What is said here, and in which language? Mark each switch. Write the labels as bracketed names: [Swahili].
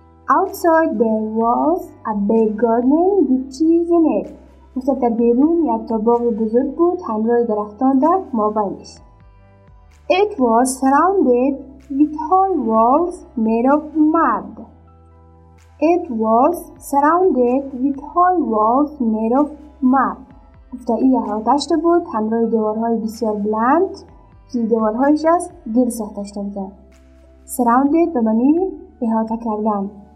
[English] Outside there was a big garden with trees in it. [Persian] وسط بیرون یک تا باغ بزرگ بود همراه درختان در مابینش. [English] It was surrounded with high walls made of mud. It was surrounded with high walls made of mud. [Persian] گفته ای احاطه بود همراه دیوارهای بسیار بلند که دیوارهایش از گل ساخته شده بود. Surrounded به معنی احاطه کردن.